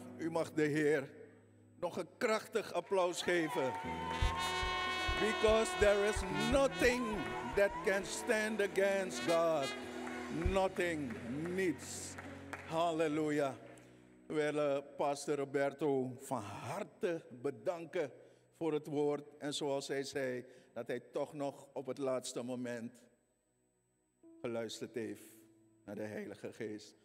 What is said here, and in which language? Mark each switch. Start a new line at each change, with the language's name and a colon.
Dutch: mag de Heer nog een krachtig applaus geven.
English: Because there is nothing that can stand against God.
Dutch: Nothing, niets. Halleluja. We willen Pastor Roberto van harte bedanken voor het woord. En zoals hij zei, dat hij toch nog op het laatste moment geluisterd heeft naar de Heilige Geest.